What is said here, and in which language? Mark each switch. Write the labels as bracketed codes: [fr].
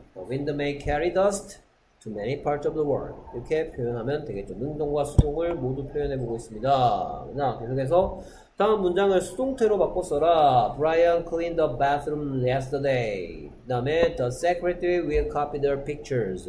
[en] The wind may carry dust to many parts of the world. [ko] 이렇게 표현하면 되겠죠. 능동과 수동을 모두 표현해 보고 있습니다. 자, 계속해서 다음 문장을 수동태로 바꿔 써라. [en] Brian cleaned the bathroom yesterday. [ko] 그 다음에 [en] The secretary will copy their pictures.